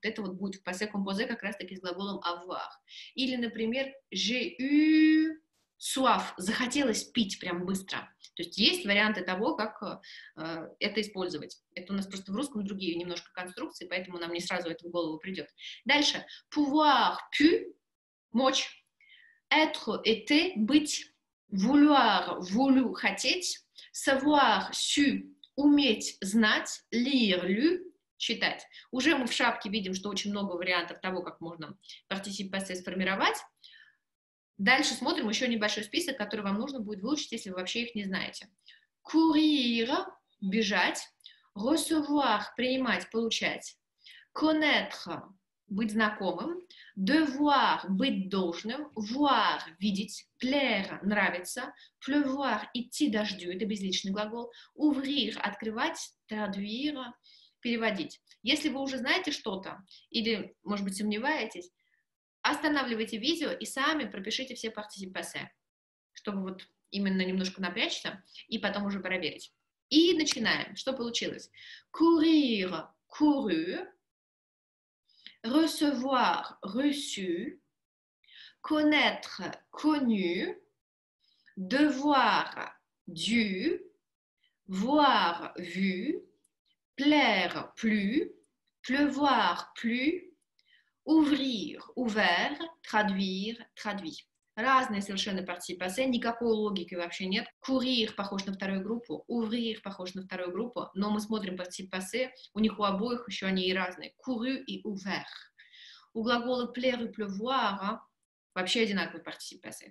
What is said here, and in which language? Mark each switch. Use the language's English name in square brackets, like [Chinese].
[Russian] Вот это вот будет в passé composé как раз-таки с глаголом avoir. Или, например, [French] j'ai eu soif. [Russian] Захотелось пить прям быстро. То есть варианты того, как это использовать. Это у нас просто в русском другие немножко конструкции, поэтому нам не сразу это в голову придет. Дальше. [French] Pouvoir, pu, мочь. Être, été, быть, vouloir, voulu, хотеть, savoir, su, уметь, знать, lire, lu, читать. [Russian] Уже мы в шапке видим, что очень много вариантов того, как можно participe passé сформировать. Дальше смотрим еще небольшой список, который вам нужно будет выучить, если вы вообще их не знаете. Courir, бежать, recevoir, принимать, получать, connaître, быть знакомым, devoir, быть должным, voir, видеть, plaire, нравится, pleuvoir, идти дождю, это безличный глагол, ouvrir, открывать, traduire, переводить. Если вы уже знаете что-то, или, может быть, сомневаетесь, останавливайте видео и сами пропишите все participe passé, чтобы вот именно немножко напрячься, и потом уже проверить. И начинаем. Что получилось? [French] Courir, couru, recevoir, reçu, connaître, connu, devoir, dû, voir, vu, plaire, plu, pleuvoir, plu, ouvrir, ouvert, traduire, traduit. [Russian] Разные совершенно participe passé, никакой логики вообще нет. Courir похож на вторую группу, ouvrir похож на вторую группу, но мы смотрим participe passé, у них у обоих еще они и разные. Couru и ouvert. У глагола plaire и pleuvoir вообще одинаковый participe passé.